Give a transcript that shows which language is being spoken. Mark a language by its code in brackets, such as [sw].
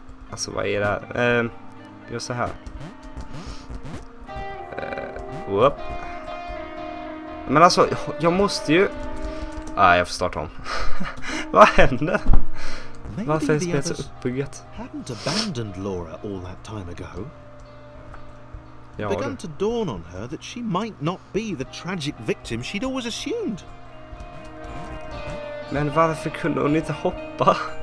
[sv] Alltså vad är det här? Gör så här. Whoop. Men alltså jag måste ju... Nej, jag får starta om. Vad händer? Varför är spelet så uppbyggt? [en] Hadn't abandoned Laura all that time ago. Begun to dawn on her that she might not be the tragic victim she'd always assumed. [sv] Men varför kunde hon inte hoppa?